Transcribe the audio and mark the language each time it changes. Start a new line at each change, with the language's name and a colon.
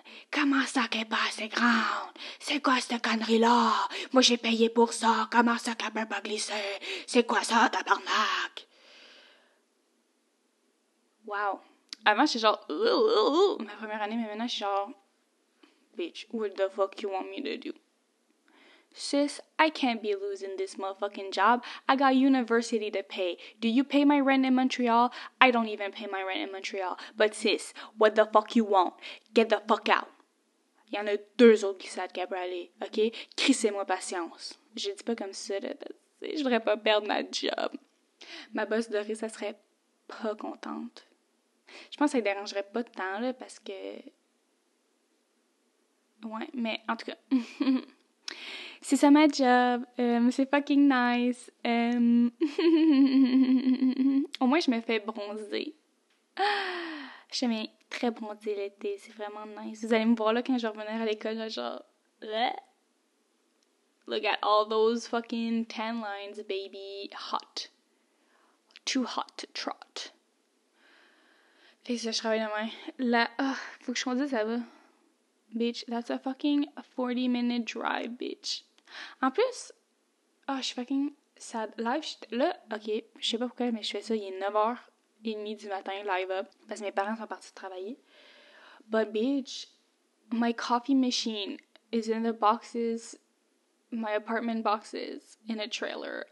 French: Comment ça qu'elle est pas assez grande? C'est quoi cette connerie-là? Moi, j'ai payé pour ça. Comment ça qu'elle peut pas glisser? C'est quoi ça, tabarnak? Wow. Avant, j'étais genre... Ma première année, mais maintenant, je suis genre...
English: Bitch, what the fuck you want me to do? Sis, I can't be losing this motherfucking job. I got university to pay. Do you pay my rent in Montreal? I don't even pay my rent in Montreal. But sis, what the fuck you want? Get the fuck out.
French: Il y en a 2 autres glissades qui peuvent aller, ok? Crissez-moi patience. Je dis pas comme ça, là, parce que je voudrais pas perdre ma job. Ma boss dorée, ça serait pas contente. Je pense que ça dérangerait pas de temps, là, parce que... Ouais, mais en tout cas... C'est ça ma job, c'est fucking nice. Au moins, je me fais bronzer. Je suis très bronzée l'été, c'est vraiment nice. Vous allez me voir là quand je revenais à l'école, là, genre...
English: Look at all those fucking tan lines, baby. Hot. Too hot to trot.
French: Fait que je travaille demain. Là, oh, faut que je conduise, ça va.
English: Bitch, that's a fucking 40-minute drive, bitch.
French: En plus, Ah, je suis fucking sad. Live, là, ok, je sais pas pourquoi, mais je fais ça, il est 9h30 du matin, live up, parce que mes parents sont partis travailler.
English: But bitch, my coffee machine is in the boxes, my apartment boxes, in a trailer.